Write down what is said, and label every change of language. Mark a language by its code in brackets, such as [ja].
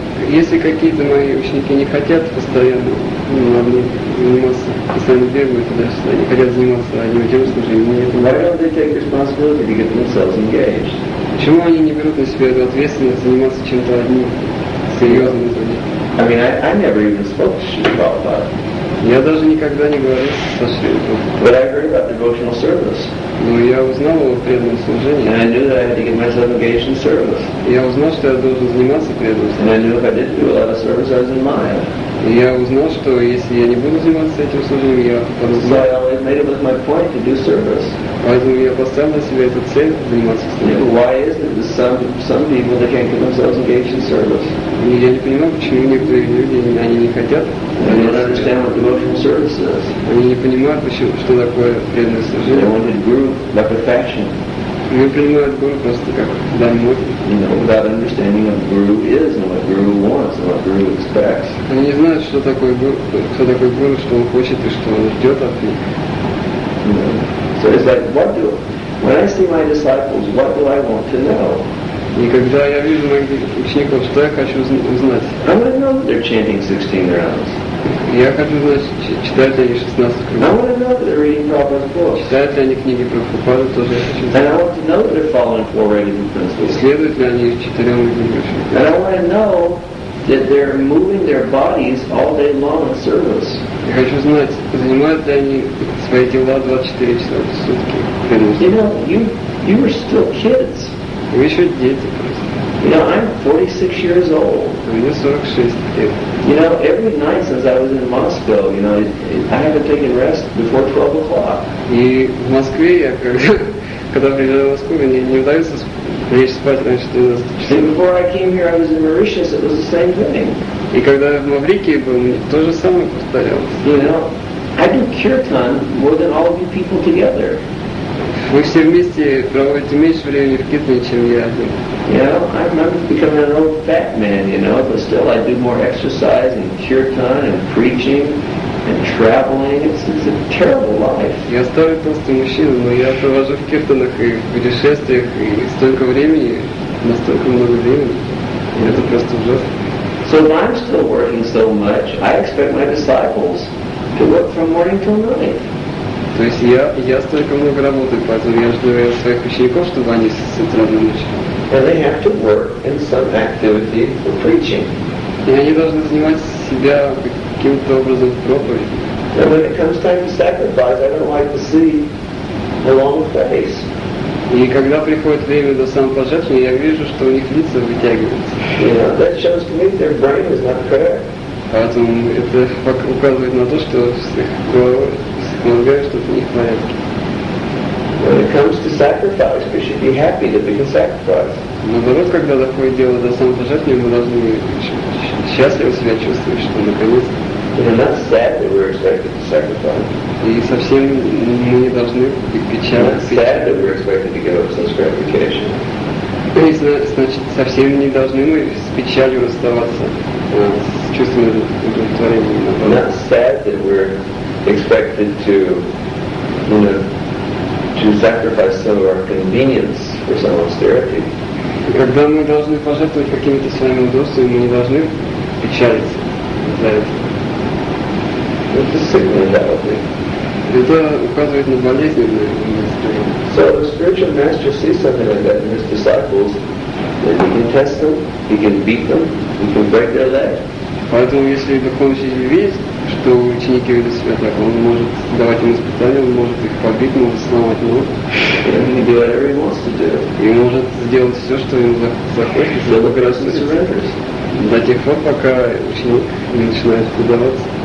[ru] Если какие-то мои ученики не хотят постоянно заниматься, постоянно бегают туда, что они хотят заниматься одним и тем же, и мне это... [en] Why don't they take responsibility to get themselves engaged? [ru] Почему они не берут на себя эту ответственность заниматься чем-то одним, серьезным занятием? [en] I mean, I never even spoke to Shri Prabhupada. [ru] Я даже никогда не говорил со Шри Прабхупадой. [en] But I heard about devotional service. [ru] Но я узнал о преданном служении. [en] And I knew that I had to get myself engaged in service. [ru] Я узнал, что я должен заниматься преданным служением. [en] And I knew if I didn't do a lot of service, I was in Maya. [ru] Я узнал, что если я не буду заниматься этим служением, я попаду в Майя. [en] So I made it with my point to do service. [ru] Поэтому я поставил для себя эту цель заниматься служением. [en] Yeah, why is it that some people they can't get themselves engaged in service? [ru] Я не понимаю, почему некоторые люди они не хотят. [en] They don't understand what devotional service is. [ru] Они не понимают, почему, что такое преданное служение. [en] They wanted guru like a fashion. [ru] Они принимают гуру просто как домой. [en] You know, without understanding what guru is and what guru wants and what guru expects. [ru] Они не знают, что такое гуру, что он хочет и что он ждет от них. [en] So it's like, when I see my disciples, what do I want to know? [ru] И когда я вижу моих учеников, что я хочу узнать? [en] I want to know that they're chanting 16 rounds. [ru] Я хочу узнать, читают ли они 16 кругов. [en] I want to know that they're reading Prabhupada's books. [ru] Читают ли они книги Прабхупады, тоже я хочу узнать. [en] And I want to know that they're following four radical principles. [ru] Следуют ли они четырем радикальным принципам. [en] And I want to know that they're moving their bodies all day long in service. [ru] Я хочу знать, занимают ли они свои тела 24 часа в сутки. [en] You know, you were still kids. [ru] Вы еще дети. [en] You know, I'm 46 years old. [ru] Мне 46 лет. [en] You know, every night since I was in Moscow, you know, I haven't taken rest before 12 o'clock. [ru] И в Москве я, когда приезжаю в Москву, мне не удается лечь спать раньше 12 часов. [en] And before I came here, I was in Mauritius, it was the same thing. [ru] И когда я в Маврикии был, мне то же самое повторялось. [en] You know, I do kirtan more than all of you people together. [ru] Вы все вместе проводите меньше времени в Китне, чем я один. [en] You know, I'm becoming an old fat man, you know, but still I do more exercise and kirtan and preaching and traveling. It's a terrible life. [ru] Я старый толстый мужчина, но я провожу в киртанах и в путешествиях и столько времени, настолько много времени. И это просто ужасно. [en] So if I'm still working so much, I expect my disciples to work from morning till night. [ru] То есть я столько много работаю, поэтому я жду от своих учеников, чтобы они с утра до ночи. [en] And they have to work in some activity for preaching. [ru] И они должны занимать себя каким-то образом в проповеди. [en] And when it comes time to sacrifice, I don't like to see a long face. [ru] И когда приходит время до самопожертвования, я вижу, что у них лица вытягиваются. [en] Yeah, that shows to me that their brain is not correct. [ru] Поэтому это указывает на то, что их полагают, что это не в порядке. [en] When it comes to sacrifice, we should be happy that we can sacrifice. [ru] Наоборот, когда доходит дело до самопожертвования, мы должны счастливо себя чувствовать, что наконец. [en] And not sad that we're expected to sacrifice. [ru] И совсем мы не должны быть печальны. [en] Not sad that we're expected to give up such gratification. [ru] И значит, совсем не должны мы с печалью расставаться с чувством удовлетворения. [en] Not sad that we're expected to, you know, to sacrifice some of our convenience for some austerity. [ru] Когда мы должны пожертвовать какими-то своими удобствами, мы не должны печалиться за это. [en] It's a signal of doubt. [ru] Это указывает на болезненное настроение. [en] So the spiritual master sees something like that in his disciples, then he can test them, he can beat them, he can break their leg. [ru] Поэтому если духовный учитель видит, что ученики ведут себя так, он может давать им испытания, он может их побить, может сломать ногу. [en] He can do whatever he wants to do. [ru] И может сделать все, что ему захочется. [en] So look at us. [ru] До тех пор, пока ученик не начинает предаваться.